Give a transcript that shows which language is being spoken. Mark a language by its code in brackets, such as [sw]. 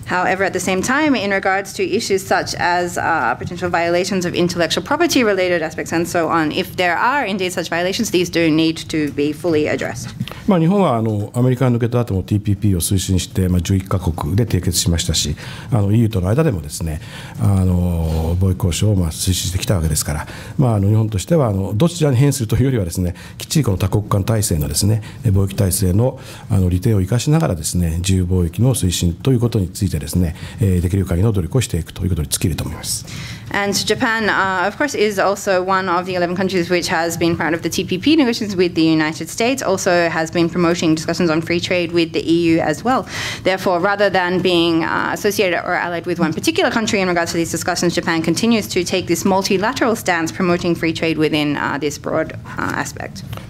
[en] However, at the same time, in regards to issues such as potential violations of intellectual property related aspects and so on, if there are indeed such violations, these do need to be fully addressed. [ja] まあ、日本はあのアメリカに抜けた後もTPPを推進して、まあ、11カ国で締結しましたし、あの、EUとの間でもですね、あの、貿易交渉をまあ推進してきたわけですから、まあ、あの、日本としてはあの、どちらに偏するというよりはですね、きっちりこの多国間体制のですね、貿易体制のあの、利点を生かしながらですね、自由貿易の推進ということについてですね、できる限りの努力をしていくということに尽きると思います。 [en] And Japan, of course, is also one of the 11 countries which has been part of the TPP negotiations with the United States, also has been promoting discussions on free trade with the EU as well. Therefore, rather than being associated or allied with one particular country in regards to these discussions, Japan continues to take this multilateral stance promoting free trade within this broad aspect.